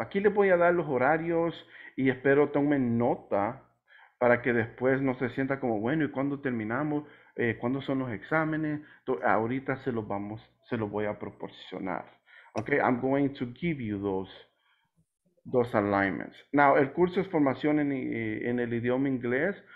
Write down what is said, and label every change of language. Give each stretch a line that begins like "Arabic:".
Spanish: Aquí les voy a dar los horarios y espero tomen nota para que después no se sienta como, bueno, ¿y cuándo terminamos? ¿Cuándo son los exámenes? Ahorita se los voy a proporcionar.
English: Okay, I'm going to give you those alignments.
Spanish: Now, el curso es formación en el idioma inglés.